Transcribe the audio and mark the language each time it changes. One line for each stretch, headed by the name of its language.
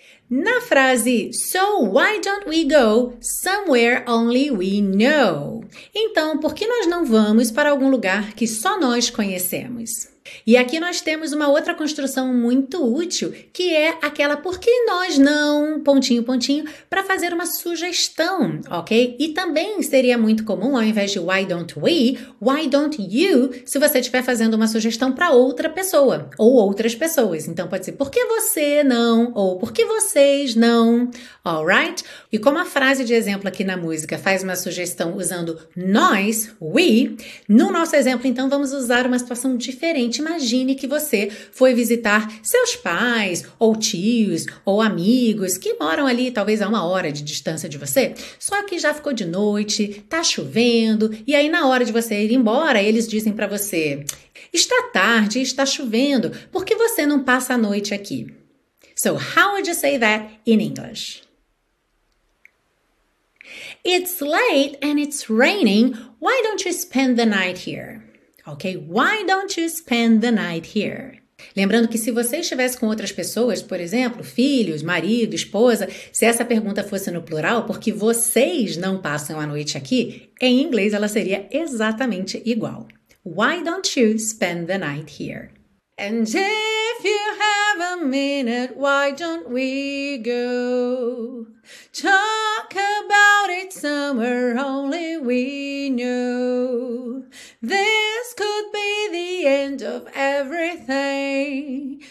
Portuguese: Na frase,
English: so why don't we go somewhere only we know?
Portuguese: Então, por que nós não vamos para algum lugar que só nós conhecemos? E aqui nós temos uma outra construção muito útil, que é aquela por que nós não, pontinho, pontinho, para fazer uma sugestão, ok? E também seria muito comum, ao invés de
English: why don't we, why don't you,
Portuguese: se você estiver fazendo uma sugestão para outra pessoa ou outras pessoas. Então pode ser por que você não ou por que vocês não,
English: alright?
Portuguese: E como a frase de exemplo aqui na música faz uma sugestão usando nós,
English: we,
Portuguese: no nosso exemplo então vamos usar uma situação diferente. Imagine que você foi visitar seus pais, ou tios, ou amigos que moram ali talvez a uma hora de distância de você, só que já ficou de noite, tá chovendo, e aí na hora de você ir embora, eles dizem para você, está tarde, está chovendo, por que você não passa a noite aqui?
English: So, how would you say that in English? It's late and it's raining, why don't you spend the night here? Ok? Why don't you spend the night here?
Portuguese: Lembrando que se você estivesse com outras pessoas, por exemplo, filhos, marido, esposa, se essa pergunta fosse no plural, porque vocês não passam a noite aqui, em inglês ela seria exatamente igual.
English: Why don't you spend the night here? And if you have a minute, why don't we go? Talk about it somewhere only we know. This could be the end of everything.